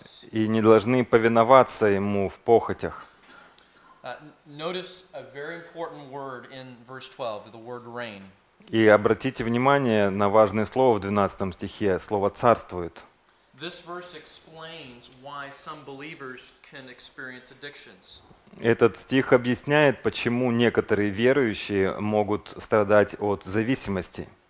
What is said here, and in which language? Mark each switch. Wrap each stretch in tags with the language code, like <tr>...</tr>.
<ru>И не должны повиноваться ему в похотях.</ru> <en>Notice a very important word in verse 12, the word reign.</en> <ru>И обратите внимание на важное слово в 12 стихе, слово царствует.</ru> <en>This verse explains why some believers can experience addictions.</en> <ru>Этот стих объясняет, почему некоторые верующие могут страдать от зависимости.</ru>